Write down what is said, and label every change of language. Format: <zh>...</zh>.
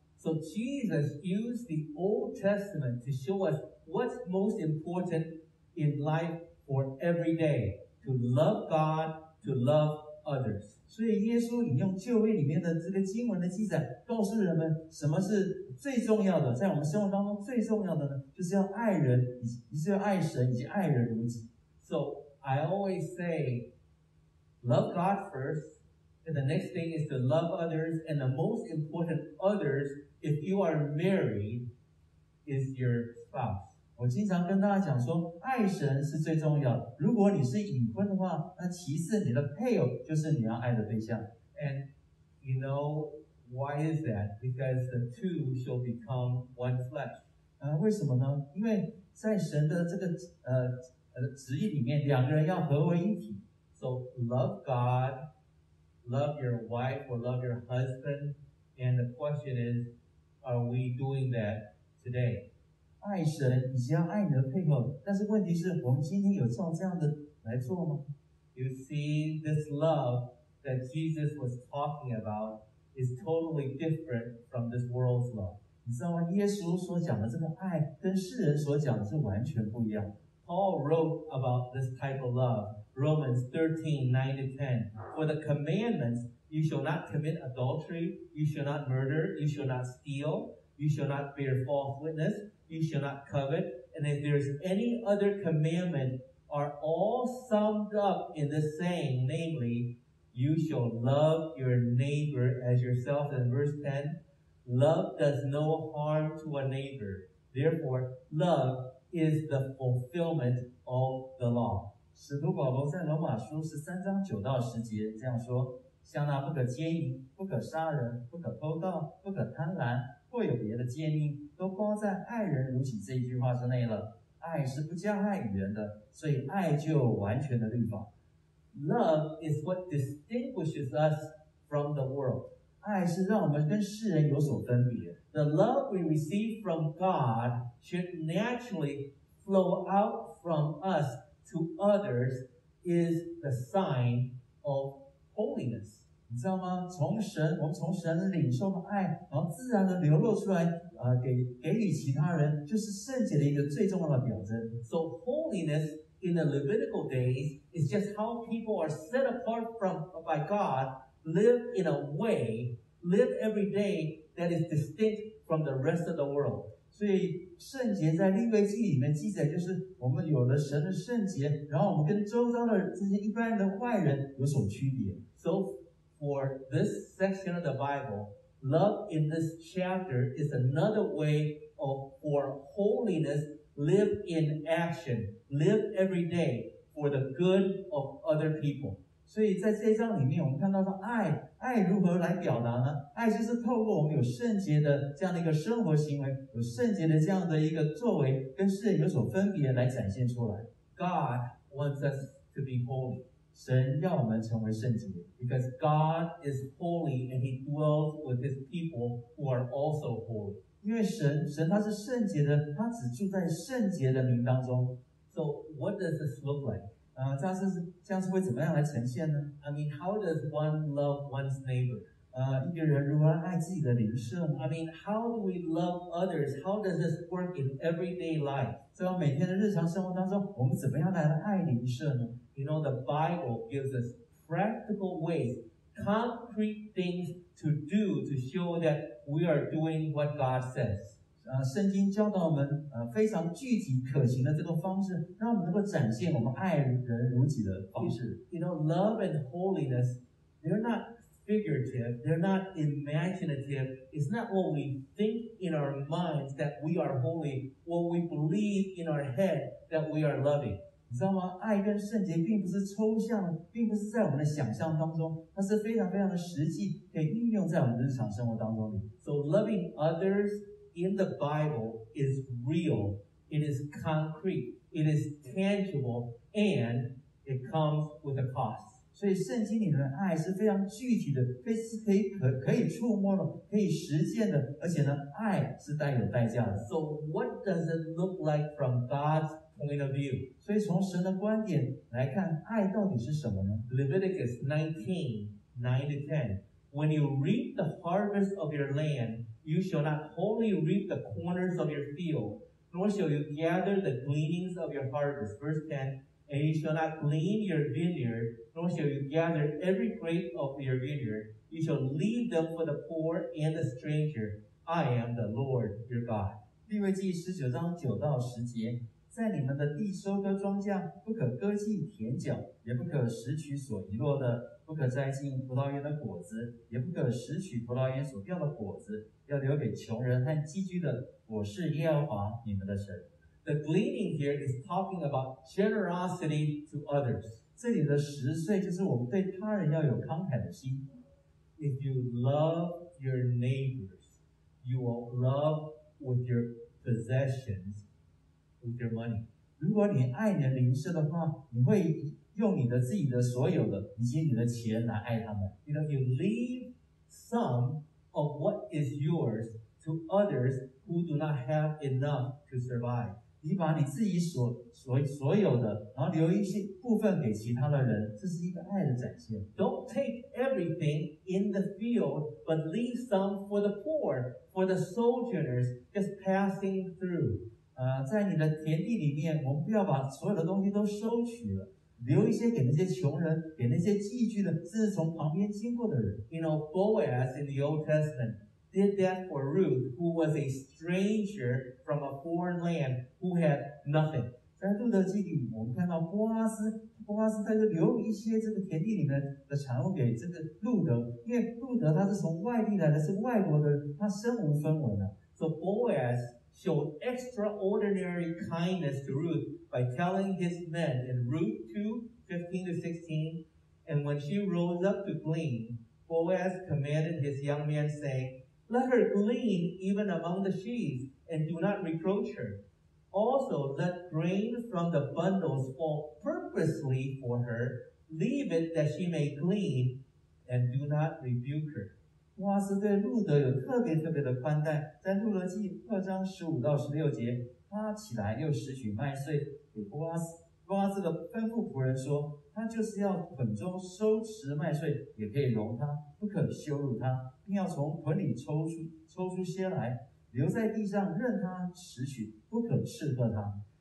<en>So Jesus used the Old Testament to show us what's most important in life for every day: to love God, to love others.</en> <zh>所以耶稣引用旧约里面的这个经文的记载，告诉人们什么是。最重要的，在我们生活当中最重要的呢，就是要爱人，你是要爱神，以及爱人如己。</zh> <en>So I always say, love God first, and the next thing is to love others, and the most important others, if you are married, is your spouse.</en> <zh>我经常跟大家讲说，爱神是最重要的。如果你是已婚的话，那其次你的配偶就是你要爱的对象。</zh> <en>And you know. Why is that? Because the two shall become one flesh.</en> <zh>为什么呢？因为在神的这个旨意里面，两个人要合为一体。</zh> <en>So love God, love your wife or love your husband, and the question is, are we doing that today?</en> <zh>爱神以及要爱你的配偶，但是问题是我们今天有照这样的来做吗？</zh> <en>You see, this love that Jesus was talking about. Is totally different from this world's love.</en> <zh>你知道吗？耶稣所讲的这个爱，跟世人所讲的是完全不一样。</zh> <en>Paul wrote about this type of love, Romans 13:9-10. For the commandments, you shall not commit adultery, you shall not murder, you shall not steal, you shall not bear false witness, you shall not covet, and if there is any other commandment, are all summed up in this saying, namely. You shall love your neighbor as yourself. In verse 10, love does no harm to a neighbor. Therefore, love is the fulfillment of the law.</en> <zh>使徒保罗在罗马书13:9-10这样说：像那不可奸淫、不可杀人、不可偷盗、不可贪婪，或有别的诫命，都包在爱人如己这一句话之内了。爱是不加害于人的，所以爱就有完全的律法。</zh> <en>Love is what distinguishes us from the world.</en> <zh>爱是让我们跟世人有所分别。</zh> <en>The love we receive from God should naturally flow out from us to others is the sign of holiness.</en> <zh>你知道吗？从神，我们从神领受的爱，然后自然的流露出来，给予其他人，就是圣洁的一个最重要的表征。</zh> <en>So holiness. In the Levitical days, it's just how people are set apart from, by God, live in a way, live every day that is distinct from the rest of the world.</en> <zh>所以圣洁在利未记里面记载就是我们有了神的圣洁，然后我们跟周遭的这些一般的外人有所区别。</zh> <en>So for this section of the Bible, love in this chapter is another way of, for holiness live in action, live every day for the good of other people.</en> <zh>所以在这一章里面，我们看到说爱，爱如何来表达呢？爱就是透过我们有圣洁的这样的一个生活行为，有圣洁的这样的一个作为，跟世人有所分别来展现出来。</zh> <en>God wants us to be holy.</en> <zh>神要我们成为圣洁。</zh> <en>Because God is holy and He dwells with His people who are also holy.</en> <zh>因为神他是圣洁的，他只住在圣洁的民当中。</zh> <en>So what does this look like?</en> <zh>这样是会怎么样来呈现呢？</zh> <en>I mean, how does one love one's neighbor?</en> <zh>一个人如何爱自己的邻舍呢？</zh> <en>I mean, how do we love others? How does this work in everyday life?</en> <zh>在我每天的日常生活当中，我们怎么样来爱邻舍呢？</zh> <en>You know, the Bible gives us practical ways, concrete things to do to show that we are doing what God says.</en> <zh>圣经教导我们非常具体可行的这个方式，让我们能够展现我们爱人如己的方式。</zh> <en>You know, love and holiness, they're not figurative, they're not imaginative. It's not what we think in our minds that we are holy, what we believe in our head that we are loving.</en> <zh>你知道吗？爱跟圣洁并不是抽象，并不是在我们的想象当中，它是非常非常的实际，可以运用在我们的日常生活当中里。</zh> <en>So loving others,in the Bible is real, it is concrete, it is tangible, and it comes with a cost.</en> <zh>所以圣经里的爱是非常具体的，是可以触摸的，可以实践的，而且呢，爱是带有代价的。</zh> <en>So what does it look like from God's point of view?</en> <zh>所以从神的观点来看，爱到底是什么呢？</zh> <en>Leviticus 19:9-10. When you reap the harvest of your land,You shall not wholly reap the corners of your field, nor shall you gather the gleanings of your harvest. Verse 10, and you shall not glean your vineyard, nor shall you gather every grape of your vineyard. You shall leave them for the poor and the stranger. I am the Lord your God.</en> <zh>利未记十九章九到十节，在你们的地收割庄稼，不可割弃田角，也不可拾取所遗落的。不可摘尽葡萄园的果子，也不可拾取葡萄园所掉的果子，要留给穷人和寄居的。我是耶和华你们的神。</zh> <en>The gleaning here is talking about generosity to others.</en> <zh>这里的拾穗就是我们对他人要有慷慨的心。</zh> <en>If you love your neighbors, you will love with your possessions, with your money.</en> <zh>如果你爱你的邻舍的话，你会。用你的自己的所有的以及你的钱来爱他们。</zh> <en>You know, you leave some of what is yours to others who do not have enough to survive.</en> <zh>你把你自己所有的，然后留一些部分给其他的人，这是一个爱的展现。</zh> <en>Don't take everything in the field, but leave some for the poor, for the sojourners just passing through.</en> <zh>在你的田地里面，我们不要把所有的东西都收取了。留一些给那些穷人，给那些寄居的，甚至从旁边经过的人。</zh> <en>You know, Boaz in the Old Testament did that for Ruth, who was a stranger from a foreign land who had nothing.</en> <zh>在路德记里，我们看到波阿斯他就留一些这个田地里面的产物给这个路德，因为路德他是从外地来的，是外国的，他身无分文的。</zh> <en>So Boaz. Showed extraordinary kindness to Ruth by telling his men in Ruth 2:15-16, and when she rose up to glean, Boaz commanded his young men, saying, Let her glean even among the sheaves, and do not reproach her. Also, let grain from the bundles fall purposely for her, leave it that she may glean, and do not rebuke her.</en> <zh>哇斯对路德有特别特别的宽待，在路德记二章十五到十六节，他起来又拾取麦穗，给波阿斯的吩咐仆人说，他就是要捆中收持麦穗，也可以容他，不可羞辱他，并要从捆里抽出些来，留在地上任他拾取，不可斥喝他。</zh>